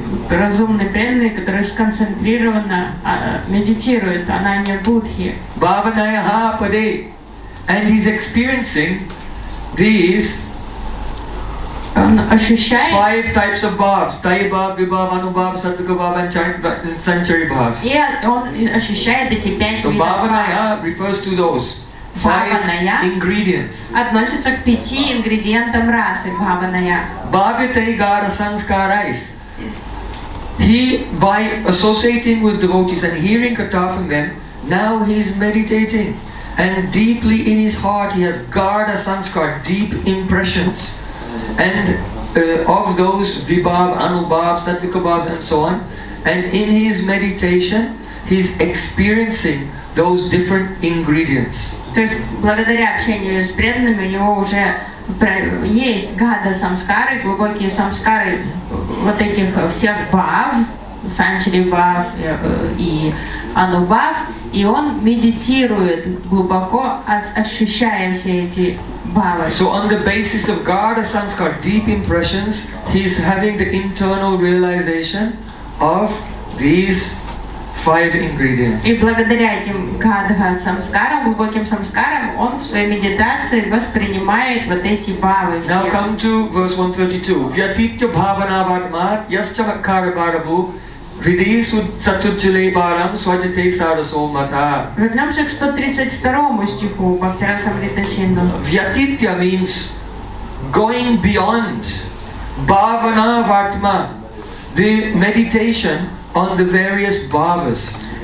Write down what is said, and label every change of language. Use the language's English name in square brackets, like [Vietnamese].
[Russian] Разумный преданный, который сконцентрированно медитирует, она не будхи. [Sanskrit] Бхаваная ха паде. [English] And he's experiencing these [Russian] ощущает [English] five types of bhavs. Тай бхав, вибхав, анубхав, саттвика бхав, and санчари бхав. [Russian] И он ощущает эти пять видов. [English] So bhavanaya refers to those five ingredients. [Russian] Относится к пяти ингредиентам расы бхаваная. [Sanskrit] Bhavitai gara sanskarais. [English] He, by associating with devotees and hearing katha from them, now he is meditating. And deeply in his heart he has gara sanskar, deep impressions. And of those vibhav, anubhav, sattvikabhav and so on. And in his meditation he is experiencing those different ingredients. [Russian] То есть благодаря общению с преданными у него уже есть гада самскары, глубокие самскары вот этих всех бхав, санчари бхав и анубхав, и он медитирует глубоко, ощущая все эти бхавы. [English] So on the basis of gada samskar, deep impressions, he is having the internal realization of these five ingredients. [Russian] И благодаря этим гадха самскарам, глубоким самскарам, он в своей медитации воспринимает вот эти бхавы. [English] Now come to verse 132. [Sanskrit] Вятитя бхавана вадмат, ясча вакхара бхарабу, ридису сатуджилей бхарам, сваджите сарасо мата. [Russian] Вернемся к 132 стиху Бхактирасамрита Синду. [English] Вятитя means going beyond бхавана вадма, the meditation on the various bhavas.